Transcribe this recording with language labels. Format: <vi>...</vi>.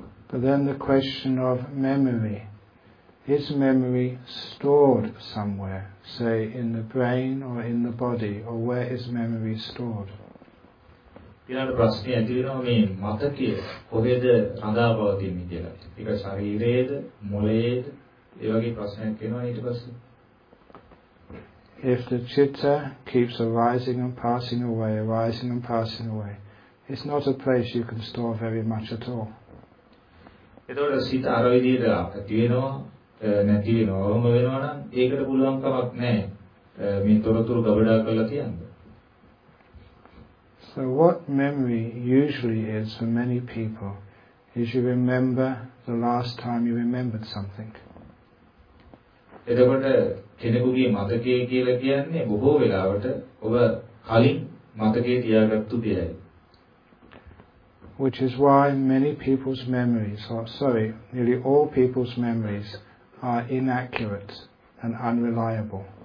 <en>But then the question of memory. Is memory stored somewhere, say in the brain or in the body, or where is memory stored?</en> <si>ඊළඟ ප්‍රශ්නේ ඇති වෙනවා මේ මතකය කොහෙද රඳාපවතින්නේ කියලා. ඒක ශරීරයේද, මොළයේද, ඒ වගේ ප්‍රශ්නයක් එනවා ඊට පස්සේ.</si> <en>If the citta keeps arising and passing away, arising and passing away, it's not a place you can store very much at all.</en> <si>එතකොට සිත අර විදිහට ඇති වෙනවා නැති වෙනවම වෙනවා නම් ඒකට පුළුවන් කමක් නැහැ මේ තොරතුරු ගබඩා කරලා තියන්න.</si> <en>So what memory usually is for many people is you remember the last time you remembered something.</en> <si>එතකොට කෙනෙකුගේ මතකයේ කියලා කියන්නේ බොහෝ වෙලාවට ඔබ කලින් මතකයේ තියාගත්තු දෙයයි.</si> <en>which is why many people's memories, or sorry, nearly all people's memories are inaccurate and unreliable.</en>